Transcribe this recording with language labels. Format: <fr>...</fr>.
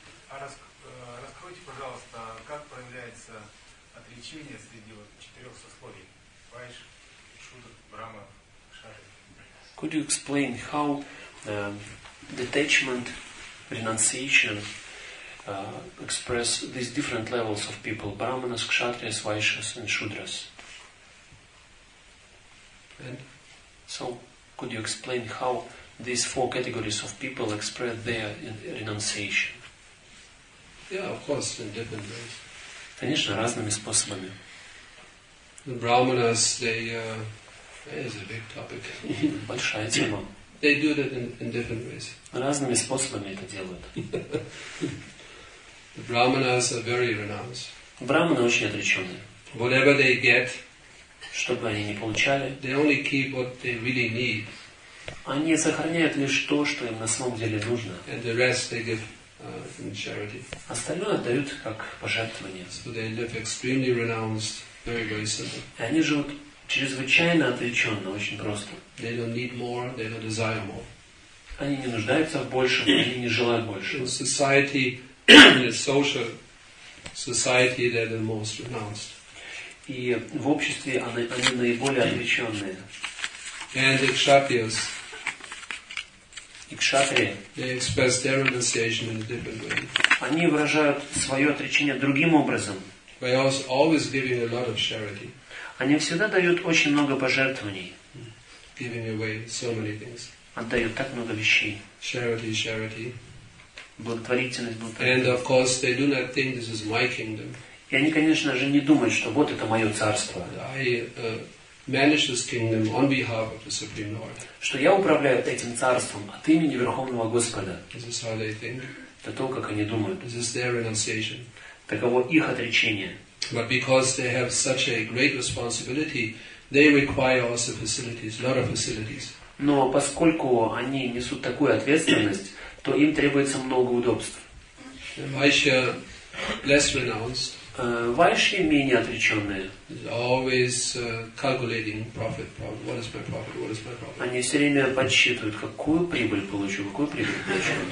<ru>Раскройте, пожалуйста, как проявляется отречение среди вот четырех сословий: Вайш, Шудра, Брама, Кшатри.</ru> <en>Could you explain how detachment, renunciation, express these different levels of people: Brahmanas, Kshatriyas, Vaishyas, and Shudras? And so, could you explain how these four categories of people express their renunciation? Yeah, of course, in different ways.</en> <ru>Конечно, разными способами.</ru> <en>The Brahmanas, they is a big topic.</en> <ru>Большая тема.</ru> <en>They do that in different ways.</en> <ru>Разными способами это делают.</ru> <en>The Brahmanas are very renounced.</en> <ru>Брахманы очень отреченные.</ru> <en>Whatever they get,</en> <ru>что бы они ни получали,</ru> <en>they only keep what they really need.</en> <ru>Они сохраняют лишь то, что им на самом деле нужно.</ru> <en>And the rest they give, in charity.</en> <ru>Остальное дают как пожертвование.</ru> <en>So they live extremely renounced.</en> <ru>Они живут чрезвычайно отвлеченно, очень просто.</ru> <en>They don't need more, they don't desire more.</en> <ru>Они не нуждаются в большем, они не желают больше.</ru> <en>In society, in a social society, they're the most renounced.</en> <ru>И в обществе они наиболее отвлеченные.</ru> <en>And the kshatriyas.</en> <ru>И кшатрии.</ru> <en>They express their renunciation in a different way.</en> <ru>Они выражают свое отречение другим образом.</ru> <en>By always giving a lot of charity.</en> <ru>Они всегда дают очень много пожертвований.</ru> <en>Giving away so many things.</en> <ru>Отдают так много вещей.</ru> <en>Charity, charity.</en> <ru>Благотворительность, благотворительность.</ru> <en>And of course they do not think this is my kingdom.</en> <ru>И они, конечно же, не думают, что вот это мое царство.</ru> <en>I manage this kingdom on behalf of the Supreme Lord.</en> <ru>Что я управляю этим царством от имени Верховного Господа.</ru> <en>This is how they think.</en> <ru>Это то, как они думают.</ru> <en>This is their renunciation.</en> <ru>Таково их отречение.</ru> <en>But because they have such a great responsibility, they require also facilities, a lot of facilities.</en> <ru>Но поскольку они несут такую ответственность, то им требуется много удобств.</ru> <en>Vaishya less renounced.</en> <ru>Вайши менее отреченные.</ru> <en>Always calculating profit. What is my profit? What is my profit?</en> <ru>Они все время подсчитывают, какую прибыль получу, какую прибыль получу.</ru>